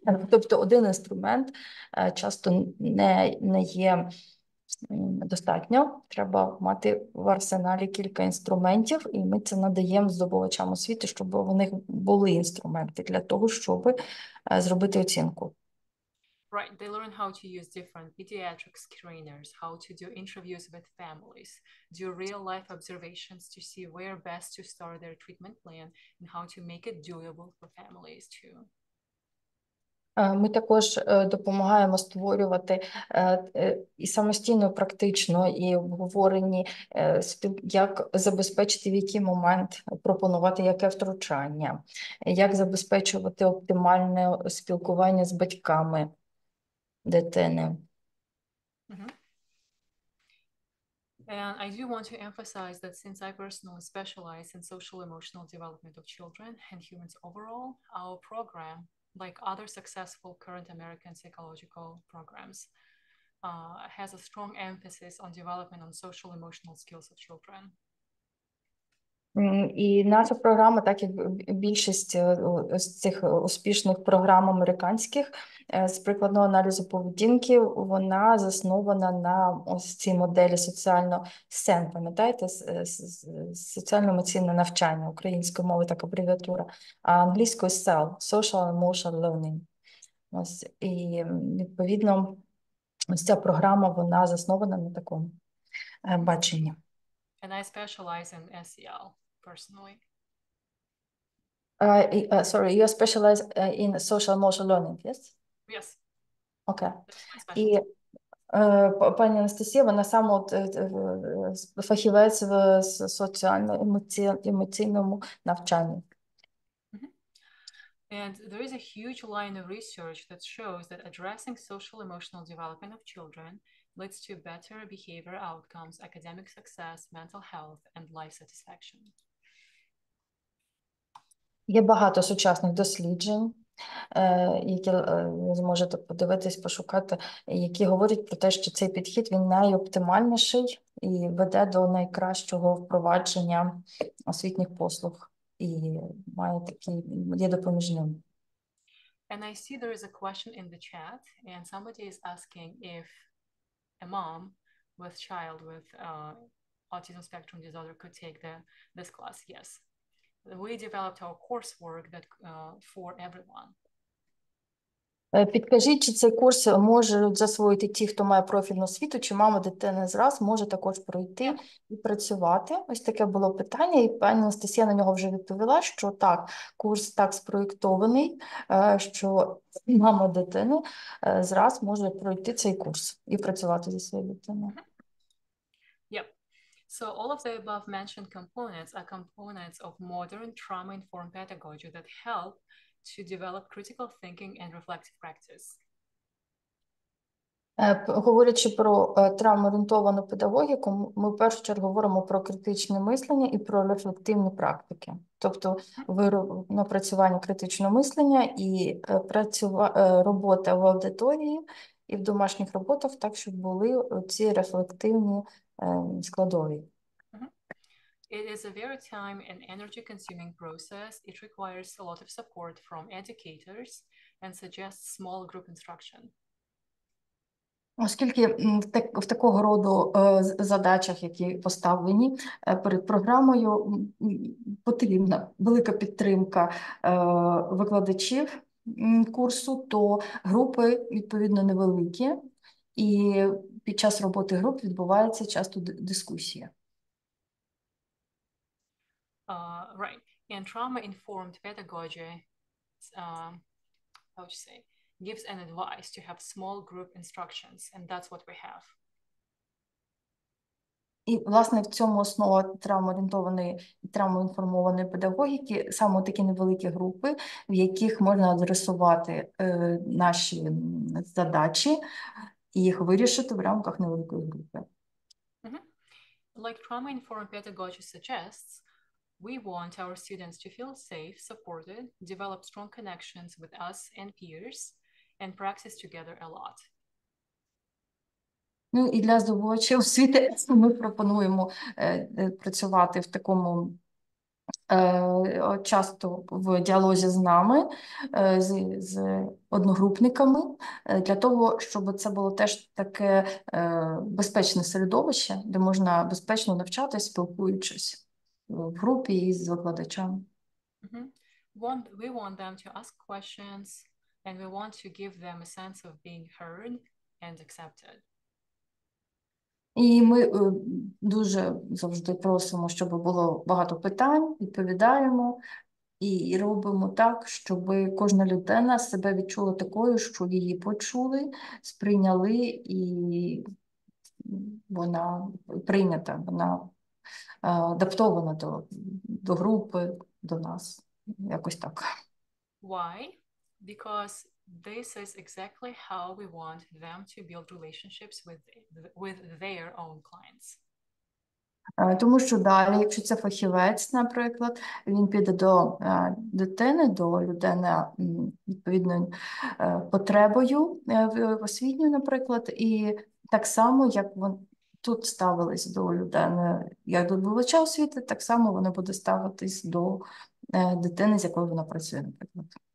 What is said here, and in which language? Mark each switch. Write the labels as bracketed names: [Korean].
[Ukrainian] Тобто один інструмент часто не є достатньо. Треба мати в арсеналі кілька інструментів, і ми це надаємо здобувачам освіти, щоб у них були інструменти для того, щоб зробити оцінку. [English] Right, they learn how to use different pediatric screeners, how to do interviews with families, do real life observations to see where best to start their treatment plan and how to make it doable for families too. [Ukrainian] Ми також допомагаємо створювати і самостійно, практично, і обговорені, як забезпечити, в який момент пропонувати яке втручання, як забезпечувати оптимальне спілкування з батьками дитини. [English] And I do want to emphasize that since I personally specialize in social emotional development of children and humans overall, our program, like other successful current American psychological programs, has a strong emphasis on development on social emotional skills of children. [Ukrainian] І наша програма, так як більшість з цих успішних програм американських з прикладного аналізу поведінки, вона заснована на ось цій моделі соціально СЕН, пам'ятаєте, соціально-емоційне навчання, української мови так абревіатура, а англійською SEL, Social Emotional Learning. Ось, і відповідно, ось ця програма, вона заснована на такому баченні. [English] And I specialize in SEL personally. Sorry, you specialize in social emotional learning, yes? Yes. Okay. That's my specialty. [Ukrainian] І пані Анастасія, вона сама фахівець в соціально-емоційному навчанні. [English] And there is a huge line of research that shows that addressing social emotional development of children leads to better behavior outcomes, academic success, mental health, and life satisfaction. [Ukrainian] Є багато сучасних досліджень, які ви зможете подивитись, пошукати, які говорять про те, що цей підхід він найоптимальніший і веде до найкращого впровадження освітніх послуг і має такі є допоміжним. [English] And I see there is a question in the chat, and somebody is asking if a mom with child with autism spectrum disorder could take this class. Yes. We developed our coursework that for everyone. [Ukrainian] Підкажіть, чи цей курс можуть засвоїти ті, хто має профільну освіту, чи мама дитини зраз може також пройти і працювати? Ось таке було питання, і пані Анастасія на нього вже відповіла, що так, курс так спроєктований, що мама дитини зараз може пройти цей курс і працювати зі своєю дитиною. [English] So all of the above mentioned components are components of modern trauma-informed pedagogy that help to develop critical thinking and reflective practice. [Ukrainian] Говорячи про травмоорієнтовану педагогіку, ми в першу чергу говоримо про критичне мислення і про рефлективні практики, тобто напрацювання критичного мислення і робота в аудиторії і в домашніх роботах, так щоб були ці рефлективні складові. [English] It is a very time and energy consuming process. It requires a lot of support from educators and suggests small group instruction. [Ukrainian] Оскільки в такого роду задачах, які поставлені перед програмою, потрібна велика підтримка викладачів курсу, то групи відповідно невеликі, і під час роботи груп відбувається часто дискусія. [English] Right, and trauma-informed pedagogy, how would you say, gives an advice to have small group instructions, and that's what we have. [Ukrainian] І, власне, в цьому основа травмоорієнтованої і травмоінформованої педагогіки саме такі невеликі групи, в яких можна адресувати наші задачі і їх вирішити в рамках невеликої групи. [English] Like trauma-informed pedagogy suggests, we want our students to feel safe, supported, develop strong connections with us and peers, and practice together a lot. [Ukrainian] Ну і для здобувачів освіти ми пропонуємо працювати в такому часто в діалозі з нами, з одногрупниками, для того, щоб це було теж таке безпечне середовище, де можна безпечно навчатись, спілкуючись в групі і з викладачами. [English] We want them to ask questions, and we want to give them a sense of being heard and accepted. [Ukrainian] І ми дуже завжди просимо, щоб було багато питань, відповідаємо і робимо так, щоб кожна людина себе відчула такою, що її почули, сприйняли і вона прийнята, вона адаптована до групи, до нас, якось так. [English] Why? Because this is exactly how we want them to build relationships with their own clients. [Ukrainian] Тому що далі, якщо це фахівець, наприклад, він піде до дитини, до людини відповідною потребою в освітню, наприклад, і так само, як вони тут ставились до людини, як до відбувача освіти, так само вони будуть ставитись до дитини, з якою вона працює, наприклад.